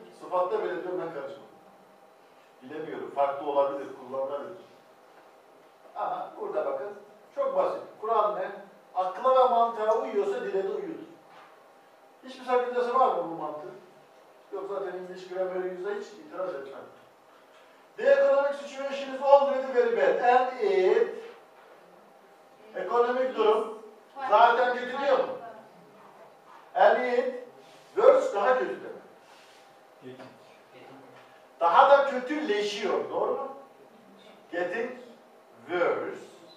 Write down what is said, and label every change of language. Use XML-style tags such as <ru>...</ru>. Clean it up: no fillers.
<tr>Sıfatla belirtiyorum ben karışmam. Bilemiyorum. Farklı olabilir, kullanılabilir. Ama burada bakın, çok basit. Kur'an ne? Akla ve mantığa uyuyorsa dile de uyuyordur. Hiçbir sakıncası var mı bu mantığı? Yok zaten İngiliz grammar'ı yüzde hiç itiraz etmem.</tr> <en>The economic situation is already very bad. And it...</en> <tr>Ekonomik durum zaten kötü değil mi?</tr> <en>And it...</en> <tr>Worse daha kötü demek. Daha da kötüleşiyor, doğru mu?</tr> <en>Getting worse.</en>